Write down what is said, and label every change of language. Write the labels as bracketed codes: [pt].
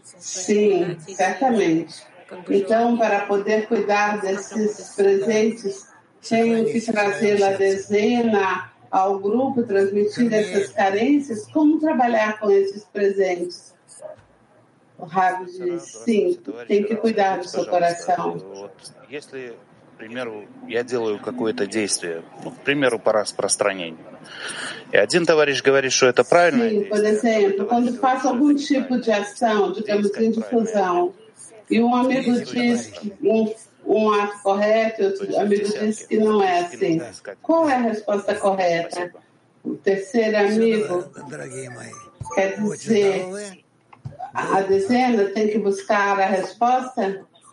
[pt] Sim, certamente. Então, para poder cuidar desses presentes, tenho que trazer a dezena ao grupo, transmitir essas carências, como trabalhar com esses presentes? O Rabi diz, sim, tem que cuidar do seu coração. [ru] К примеру, я делаю какое-то действие, ну, к примеру, по распространению. И один товарищ говорит, что это правильное действие. [pt] Por exemplo, quando faço algum tipo de ação, digamos, em difusão, e um amigo diz um ato correto, e outro amigo diz que não é assim. Qual é a resposta correta? O terceiro amigo quer dizer, a dezena tem que buscar a resposta?